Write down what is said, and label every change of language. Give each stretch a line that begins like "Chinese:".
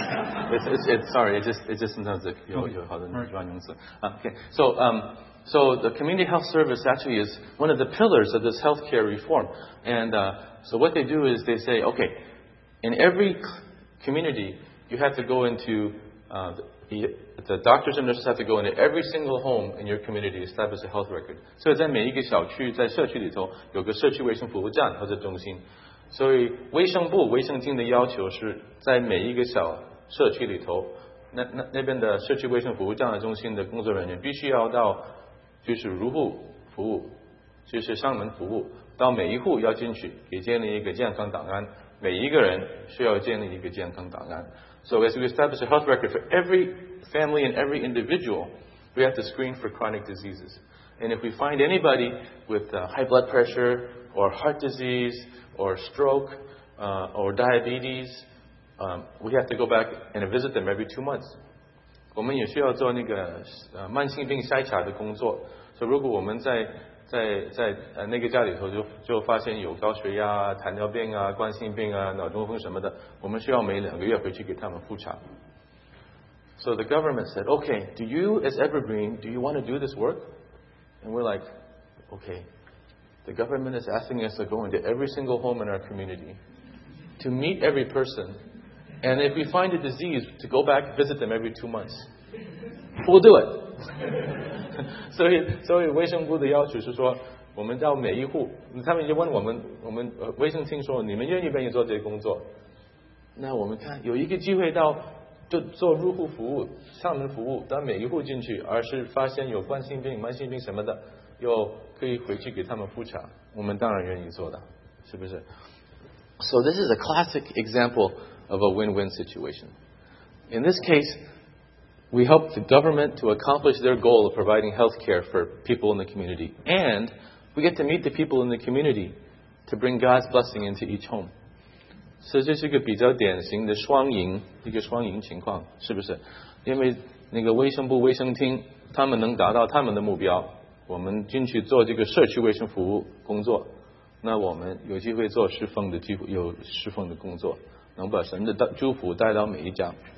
English: So the community health service actually is one of the pillars of this healthcare reform. And so what they do is they say, okay, in every community, you have to go into the doctors and nurses have to go into every single home in your community to establish a health record.
Chinese: 所以在每一个小区在社区里头有个社区卫生服务站或者中心。所以卫生部卫生厅的要求是在每一个小社区里头 那边的社区卫生服务站的中心的工作人员必须要到就是入户服务就是上门服务到每一户要进去给建立一个健康档案
English: 每一个人需要建立一个健康档案 So as we establish a health record for every family and every individual we have to screen for chronic diseases and if we find anybody with high blood pressure or heart disease or stroke, or diabetes, we have to go back and visit them every 2 months.
Chinese: 我们也需要做那个慢性病筛查的工作。所以如果我们在那个家里头就发现有高血压、糖尿病啊、冠心病啊、脑中风什么的，我们需要每两个月回去给他们复查。
English: So the government said, okay, do you as Evergreen, do you want to do this work? And we're like, okay. The government is asking us to go into every single home in our community to meet every person. And if we find a disease, to go back and visit them every 2 months. We'll do it.
Chinese: 所以卫生部的要求是说我们到每一户他们就问我们卫生厅说你们愿意不愿意做这些工作那我们看有一个机会到就做入户服务上门服务到每一户进去而是发现有冠心病慢心病什么的又可以回去给他们复查，我们当然愿意做的，是不是 ？
English: So this is a classic example of a win-win situation. In this case, we help the government to accomplish their goal of providing health care for people in the community, and we get to meet the people in the community to bring God's blessing into each home.
Chinese: 所以这是一个比较典型的双赢，一个双赢情况，是不是？因为那个卫生部卫生厅，他们能达到他们的目标。我们进去做这个社区卫生服务工作，那我们有机会做侍奉的机会，有侍奉的工作，能把神的祝福带到每一家。